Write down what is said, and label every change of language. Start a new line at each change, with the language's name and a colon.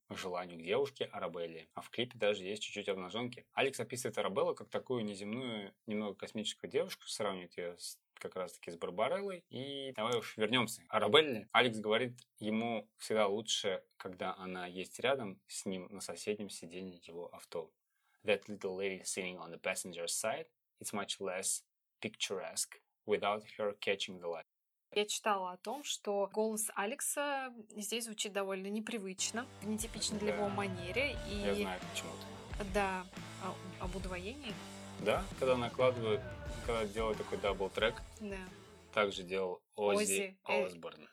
Russian: Желанию к девушке Арабелле. А в клипе даже есть чуть-чуть обнаженки. Алекс описывает Арабеллу как такую неземную, немного космическую девушку, сравнивает ее с, как раз-таки с Барбареллой. И давай уж вернемся. Арабелле. Алекс говорит, ему всегда лучше, когда она есть рядом с ним на соседнем сиденье его авто.
English: That little lady sitting on the passenger side, it's much less picturesque without her catching the light.
Russian: Я читала о том, что голос Алекса здесь звучит довольно непривычно, нетипично для его манеры. И... Я знаю, почему-то. Да, об удвоении. Да, когда накладывают, когда делают такой дабл-трек. Да. Так же делал Оззи Осборн.